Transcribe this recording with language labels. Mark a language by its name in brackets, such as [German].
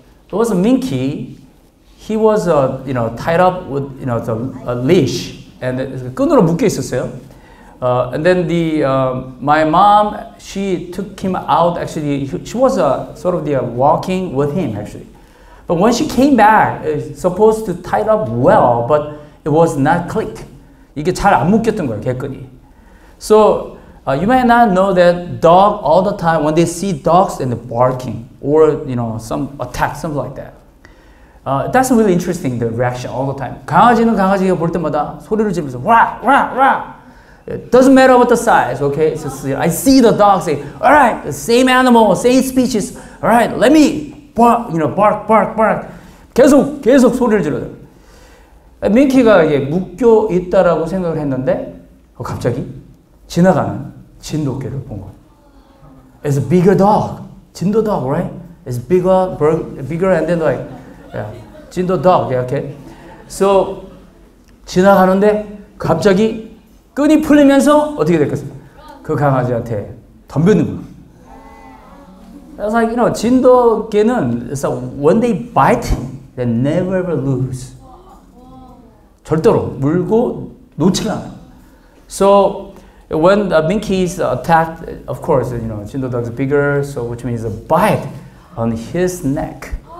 [English] It was a Minky. He was tied up with a leash, and [Korean] 끈으로 묶여 있었어요. [English] And then my mom, she took him out. Actually, she was walking with him actually. But when she came back, it was supposed to tie it up well, but it was not clicked. [Korean] 이게 잘 안 묶였던 거예요, 개끈이. [English] So you might not know that dog all the time when they see dogs and they're barking or some attack, something like that. That's really interesting, the reaction all the time. [Korean] 강아지는 강아지가 볼 때마다 소리를 지르면서 wah, wah, wah. [English] It doesn't matter what the size, okay? It's just, I see the dog say, all right, the same animal, same species. All right, let me bark, bark, bark, bark. [Korean] 계속 소리를 지르더라고요. 민키가 이게 묶여 있다라고 생각을 했는데 갑자기 지나가는 진돗개를 본 거예요. [English] It's a bigger dog. 진도 dog, right? It's bigger and then like, yeah, 진도 dog, yeah, okay? [Korean] So, 지나가는데 갑자기 끈이 풀리면서 어떻게 됐겠어요? 그 강아지한테 덤벼는 거. [English] It's like, 진돗개는 it's like when they bite, they never ever lose. [Korean] 절대로 물고 놓지 않아. [English] So, when the minkies attacked, of course, 진돗개 is bigger, so which means a bite on his neck.